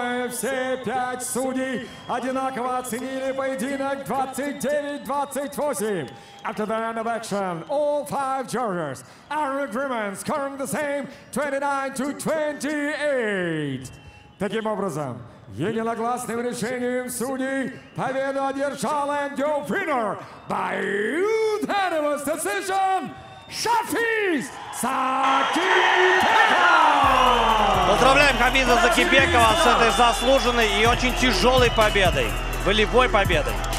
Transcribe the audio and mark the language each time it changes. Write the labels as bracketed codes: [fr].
[ru] Все пять судей одинаково оценили поединок 29-28. [en] After the end of action, all five jurors are agreement, scoring the same 29-28. [ru] Таким образом, единогласным решением судей победу одержал [en] and your winner by unanimous decision, [ru] Шафиз Закипекова! Поздравляем Хафиза Закипекова с этой заслуженной и очень тяжелой победой. Волевой победой.